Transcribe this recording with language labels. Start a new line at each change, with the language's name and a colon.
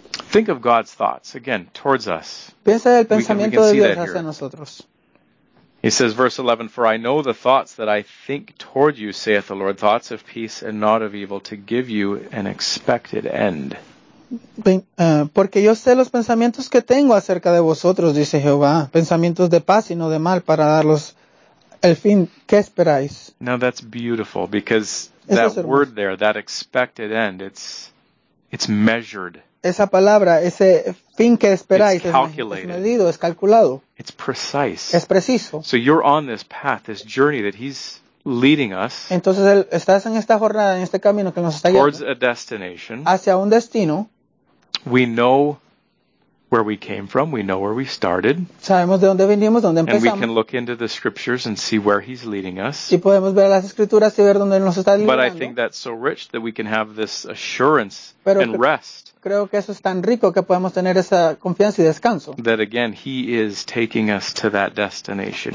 English: Think of God's thoughts again towards us.
Spanish: Piensa el pensamiento de Dios hacia nosotros.
English: He says, verse 11, "For I know the thoughts that I think toward you, saith the Lord, thoughts of peace and not of evil, to give you an expected end."
Spanish: Porque yo sé los pensamientos que tengo acerca de vosotros, dice Jehová, pensamientos de paz y no de mal, para daros el fin que esperáis.
English: Now that's beautiful, because that word there, that expected end, it's measured.
Spanish: Esa palabra, ese fin que esperáis, es medido, es calculado.
English: It's precise.
Spanish: Es preciso.
English: So you're on this path, this journey that he's leading us.
Spanish: Entonces estás en esta jornada, en este camino que nos está
English: towards
Spanish: llevando
English: a destination.
Spanish: Hacia un destino.
English: We know where we came from, we know where we started.
Spanish: Sabemos de dónde venimos, dónde empezamos.
English: And we can look into the scriptures and see where he's leading us.
Spanish: Y podemos ver las escrituras y ver dónde nos está llevando.
English: But I think that's so rich that we can have this assurance and rest.
Spanish: Creo que eso es tan rico que podemos tener esa confianza y descanso.
English: That again, he is taking us to that destination.